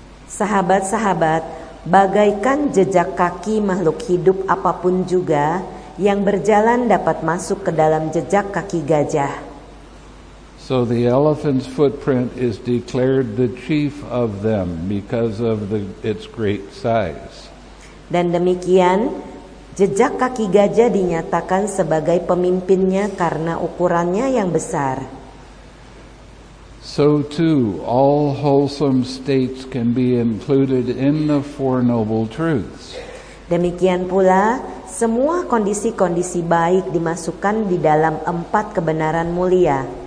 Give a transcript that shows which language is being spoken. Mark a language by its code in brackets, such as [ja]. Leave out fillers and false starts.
[id] Sahabat-sahabat, bagaikan jejak kaki makhluk hidup apapun juga yang berjalan dapat masuk ke dalam jejak kaki gajah. [en] So the elephant's footprint is declared the chief of them because of its great size. [id] Dan demikian, jejak kaki gajah dinyatakan sebagai pemimpinnya karena ukurannya yang besar. [en] So too, all wholesome states can be included in the Four Noble Truths. [id] Demikian pula, semua kondisi-kondisi baik dimasukkan di dalam empat kebenaran mulia.